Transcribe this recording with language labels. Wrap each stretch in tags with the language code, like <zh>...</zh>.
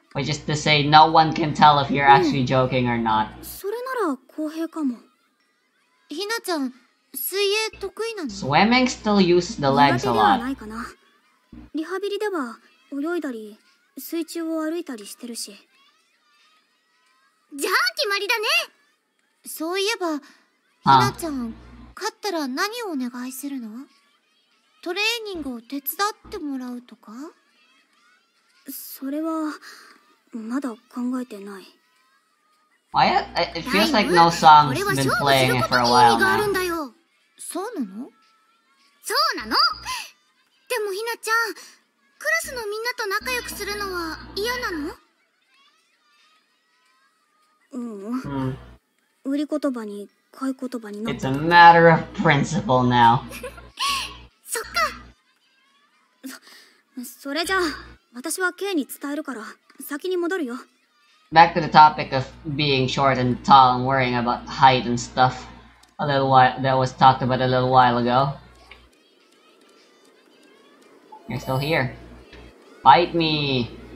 <en>Which is to say, no one can tell if you're actually joking or not.</en> <ja>それなら公平かも。ひなちゃん、水泳得意なの？</ja> <en>Swimming still uses the legs a lot.</en> <ja>リハビリでは泳いだり、水中を歩いたりしてるし。じゃあ決まりだね。そういえば、ひなちゃん。勝ったら何をお願いするの？トレーニングを手伝ってもらうとか？それはまだ考えてない。</ja> <en>Why? It feels like no song's been playing for a while now.</en> <ja>そうなの？そうなの？でもひなちゃん、クラスのみんなと仲良くするのは嫌なの？売り言葉に。</ja> <en>It's a matter of principle now.</en> <ja>そっか。それじゃあ、私はケイに伝えるから、先に戻るよ。</ja> <en>Back to the topic of being short and tall and worrying about height and stuff. A little while that was talked about a little while ago. You're still here. Fight me!</en>